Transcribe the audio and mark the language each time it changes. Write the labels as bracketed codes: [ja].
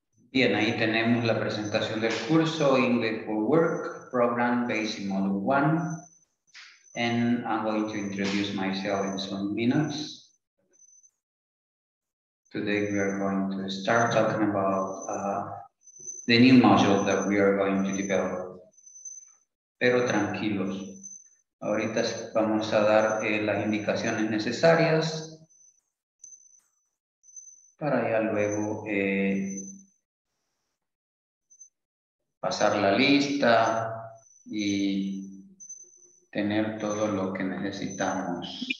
[es] Bien, ahí tenemos la presentación del curso English for Work Program Basic Module 1. [en] And I'm going to introduce myself in some minutes. Today we are going to start talking about the new module that we are going to develop. [es] pero tranquilos. Ahorita vamos a dar las indicaciones necesarias para ya luego pasar la lista y tener todo lo que necesitamos.